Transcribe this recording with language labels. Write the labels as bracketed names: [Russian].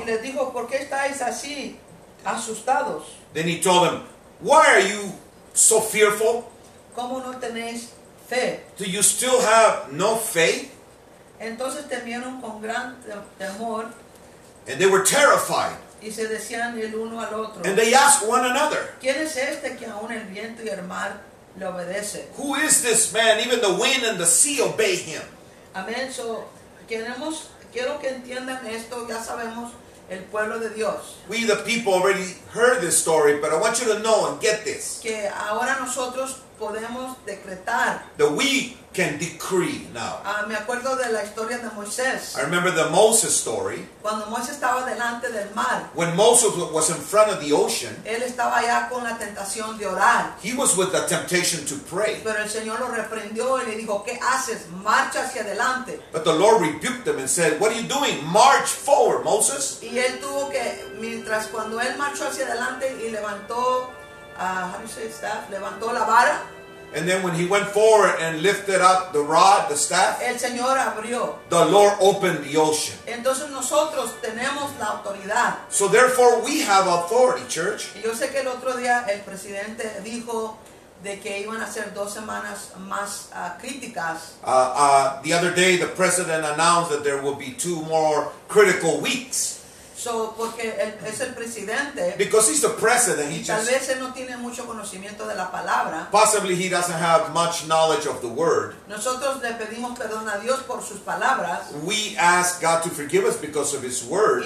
[Spanish] Y les dijo, ¿por qué estáis así, asustados? [English] Then he told them, why are you so fearful? [Spanish] ¿Cómo no tenéis fe? [English] Do you still have no faith? [Spanish] Entonces temieron con gran temor. [English] And they were terrified. [Spanish] Y se decían el uno al otro. [English] And they asked one another. [Spanish] ¿Quién es este que aún el viento y el mar le obedece? [English] Who is this man? Even the wind and the sea obey him. [Spanish] Amén. So, quiero que entiendan esto. Ya sabemos el pueblo de Dios. [English] We the people already heard this story, but I want you to know and get this. [Spanish] Que ahora nosotros podemos decretar. [English] The we can decree now. [Spanish] Me acuerdo de la historia de Moisés. [English] I remember the Moses story. [Spanish] Cuando Moisés estaba delante del mar. [English] When Moses was in front of the ocean. [Spanish] Él estaba allá con la tentación de orar. [English] He was with the temptation to pray. [Spanish] Pero el Señor lo reprendió y le dijo, ¿qué haces? Marcha hacia adelante. [English] But the Lord rebuked him and said, what are you doing? March forward, Moses. [Spanish] Y él tuvo que, mientras cuando él marchó hacia adelante y levantó, [English] how do you say staff? [Spanish] Levantó la vara. [English] And then when he went forward and lifted up the rod, the staff, [Spanish] el Señor abrió. [English] The Lord opened the ocean. [Spanish] Entonces nosotros tenemos la autoridad. [English] So therefore we have authority, church. [Spanish] Y yo sé que el otro día el presidente dijo de que iban a ser dos semanas más críticas. [English] The other day the president announced that there will be two more critical weeks. [Spanish] So, porque es el presidente. [English] Because he's the president, he [Spanish] tal [English] just, [Spanish] vez él no tiene mucho conocimiento de la palabra. [English] Possibly he doesn't have much knowledge of the word. [Spanish] Nosotros le pedimos perdón a Dios por sus palabras. [English] We ask God to forgive us because of his words.